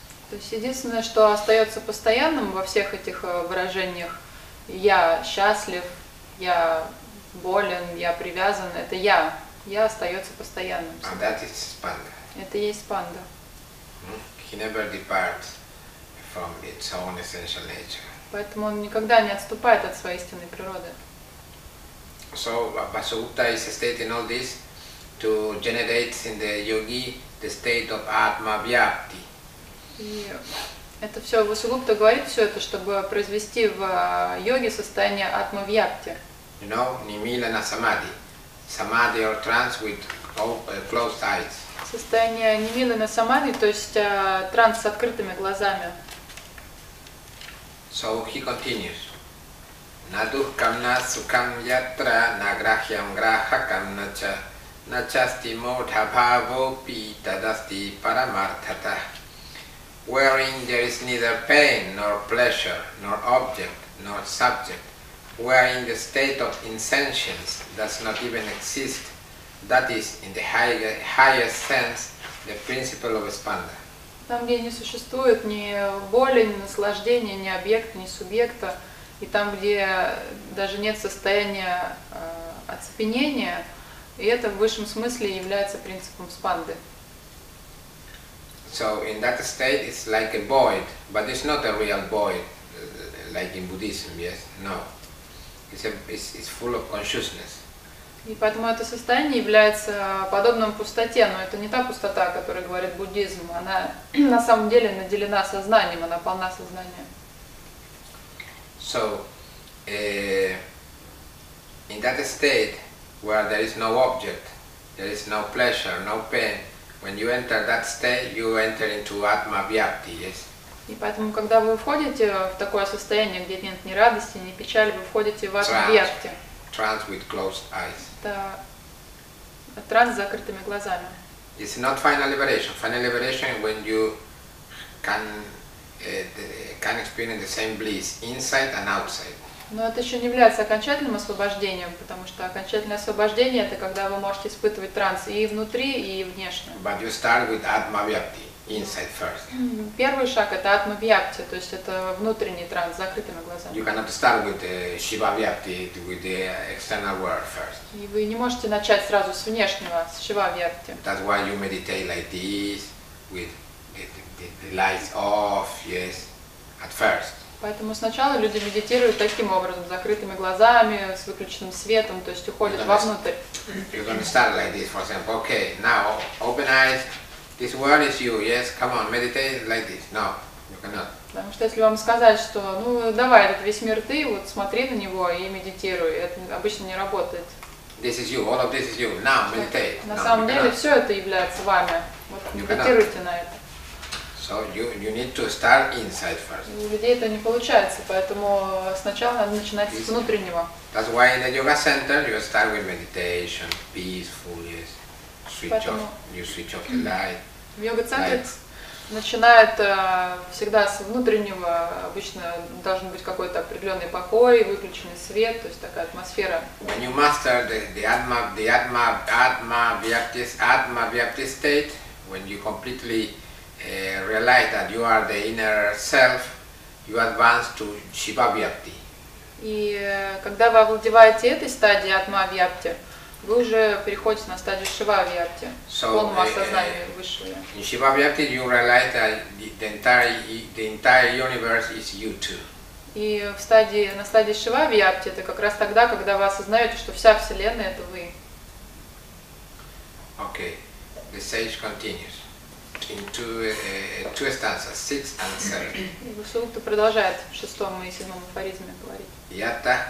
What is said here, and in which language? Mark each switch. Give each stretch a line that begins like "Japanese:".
Russian: То есть единственное, что остается постоянным во всех этих выражениях, я счастлив, я болен, я привязан, это я. Я остается постоянным.
English: And that is Spanda.
Russian: Это есть Спанда.
English: He never departs from its own essential nature.
Russian: Поэтому он никогда не отступает от своей истинной природы.
English: So Vasugupta is stating all this to generate in the yogi the state of Atma Vyapti.
Russian: Это все Васугупта говорит, все это, чтобы произвести в йоге состояние Атма Вьяпти.
English: You know, Nimilana Samadhi. Samadhi or trance with closed eyes.
Russian: Состояние Nimilana Samadhi, то есть транс с открытыми глазами.
English: So he continues.
Sanskrit: На духкам на сукам ятра, на грахьям грахакам нача. Начасти мудхабхавопи тадасти парамартата.
English: wherein there is neither pain, nor pleasure, nor object, nor subject, wherein the state of insentience does not even exist, that is, in the highest sense, the principle of Spanda.
Russian: Там, где не существует ни боли, ни наслаждения, ни объекта, ни субъекта, и там, где даже нет состояния оцепенения, и это в высшем смысле является принципом Спанды.
English: So in that state it's like a void, but it's not a real void, like in Buddhism, yes, no. It's full of consciousness.
Russian: И поэтому это состояние является подобным пустоте, но это не та пустота, о которой говорит буддизм. Она на самом деле наделена сознанием, она полна сознания.
English: So, in that state where there is no object, there is no pleasure, no pain, when you enter that state, you enter into Atma Vyapti, yes.
Russian: И поэтому, когда вы входите в такое состояние, где нет ни радости, ни печали, вы входите в Атма Вьяпти.
English: Trance with closed eyes.
Russian: Это транс с закрытыми глазами.
English: It's not final liberation. Final liberation when you can experience the same bliss inside and outside.
Russian: Но это еще не является окончательным освобождением, потому что окончательное освобождение это когда вы можете испытывать транс и внутри, и внешне.
English: But you start with Atma Vyapti inside first.
Russian: Первый шаг это Atma Vyapti, то есть это внутренний транс с закрытыми глазами.
English: You cannot start with Shiva Vyapti with the external world first.
Russian: И вы не можете начать сразу с внешнего, с Shiva Vyapti.
English: That's why you meditate like this with the lights off, yes, at first.
Russian: Поэтому сначала люди медитируют таким образом, с закрытыми глазами, с выключенным светом, то есть уходят вовнутрь.
English: You're gonna start like this, for example. Okay, now open eyes. This world is you, yes, come on, meditate like this. No, you cannot.
Russian: Потому что если вам сказать, что ну давай, этот весь мир ты, вот смотри на него и медитируй, это обычно не работает.
English: This is you, all of this is you. Now meditate.
Russian: На самом деле все это является вами. Вот медитируйте на это.
English: So you need to start inside first.
Russian: У людей это не получается, поэтому сначала надо начинать с внутреннего.
English: That's why in the yoga center you start with meditation, peaceful, yes. Switch off, you switch off the light.
Russian: В йога-центре начинает всегда с внутреннего. Обычно должен быть какой-то определенный покой, выключенный свет, то есть такая атмосфера.
English: When you master the Atma Vyapti state, when you completely realize that you are the inner self, you advance to Shiva Vyapti.
Russian: И когда вы овладеваете этой стадией Atma Vyapti, вы уже переходите на стадию Shiva Vyapti, полного осознания высшего.
English: In Shiva Vyapti you realize that the entire universe is you too.
Russian: И на стадии Shiva Vyapti это как раз тогда, когда вы осознаете, что вся вселенная это вы.
English: Okay, the sage continues. In two stanzas, six and seven.
Russian: Сутта продолжает в шестом и седьмом афоризме говорить.